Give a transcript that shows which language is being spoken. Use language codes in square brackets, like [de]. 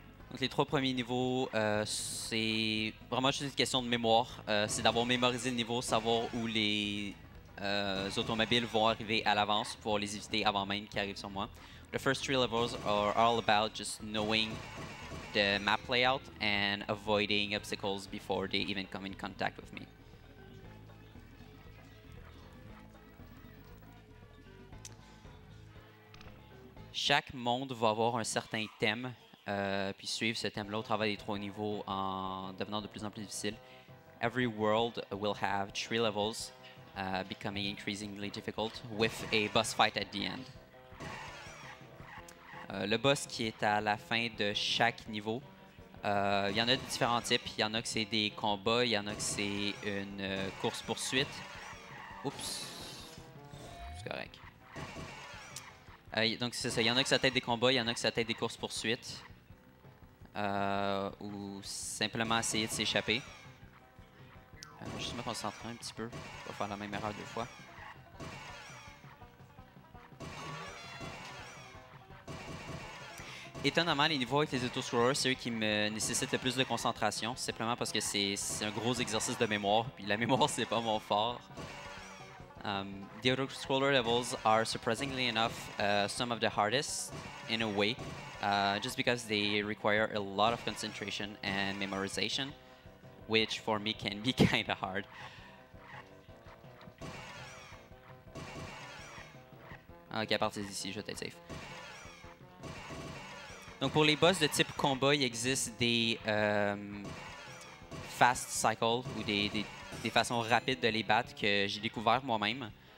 [fr] Donc les trois premiers niveaux, c'est vraiment juste une question de mémoire. C'est d'avoir mémorisé le niveau, savoir où les automobiles vont arriver à l'avance pour les éviter avant même qu'ils arrivent sur moi. [en] The first three levels are all about just knowing the map layout and avoiding obstacles before they even come in contact with me. [fr] Chaque monde va avoir un certain thème, puis suivre ce thème-là au travers des trois niveaux en devenant de plus en plus difficile. [en] Every world will have three levels. Becoming increasingly difficult with a boss fight at the end. [fr] Le boss qui est à la fin de chaque niveau, il y en a de différents types. Il y en a que c'est des combats, il y en a que c'est une course-poursuite. Oups, c'est correct. Donc c'est ça, il y en a que ça t'aide des combats, il y en a que ça t'aide des courses-poursuites. Ou simplement essayer de s'échapper. Juste me concentrer un petit peu, pas faire la même erreur deux fois. Étonnamment, les niveaux avec les auto-scrollers, c'est eux qui me nécessitent le plus de concentration, simplement parce que c'est un gros exercice de mémoire, puis la mémoire, c'est pas mon fort. [en] The auto-scroller levels are, surprisingly enough, some of the hardest, in a way, just because they require a lot of concentration and memorization. Which for me can be kind of hard. [fr] Ok, à partir d'ici, je vais être safe. Donc pour les boss de type combat, il existe des fast cycles ou des façons rapides de les battre que j'ai découvert moi-même.